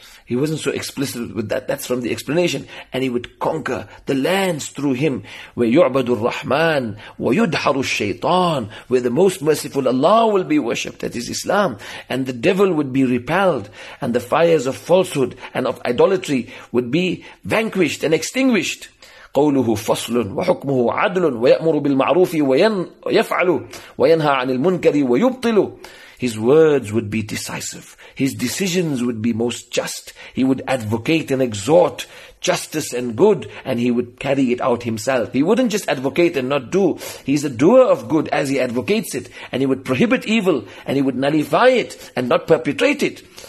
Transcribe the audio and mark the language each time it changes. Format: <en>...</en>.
<en>He wasn't so explicit with that. That's from the explanation. And he would conquer the lands through him. Where</en> <ar>يُعْبَدُ الرَّحْمَانِ وَيُدْحَرُ الشَّيْطَانِ,</ar> <en>where the most merciful Allah will be worshipped. That is Islam. And the devil would be repelled. And the fires of falsehood and of idolatry would be vanquished and extinguished.</en> <ar>قوله فصل وحكمه عدل ويأمر بالمعروف ويفعل وينهى عن المنكر ويبطل.</ar> <en>His words would be decisive. His decisions would be most just. He would advocate and exhort justice and good, and he would carry it out himself. He wouldn't just advocate and not do. He's a doer of good as he advocates it, and he would prohibit evil, and he would nullify it and not perpetrate it.</en>